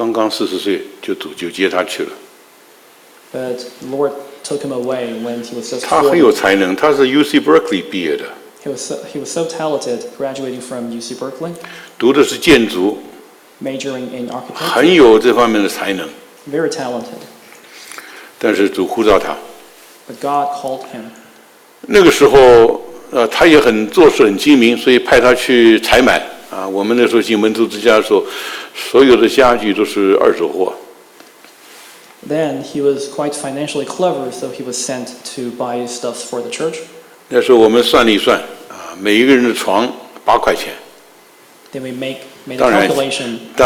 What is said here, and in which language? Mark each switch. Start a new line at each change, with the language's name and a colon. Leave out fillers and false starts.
Chinese: 但是他刚刚40岁就接他去了。
English: But the Lord took him away when he was just
Chinese: 他很有才能, 他是UC Berkeley毕业的。
English: He was so talented, graduating from UC Berkeley.
Chinese: 读的是建筑,
English: majoring in architecture.
Chinese: 很有这方面的才能,
English: very talented.
Chinese: 但是主呼召他,
English: but God called him.
Chinese: 那个时候, 他也很做事很精明, 所以派他去采买, 啊, 我们那时候进门徒之家的时候, 所有的家具都是二手货。
English: Then he was quite financially clever, so he was sent to buy stuff for the church.
Chinese: 那时候我们算了一算, 每一个人的床8块钱。
English: Then we made a calculation.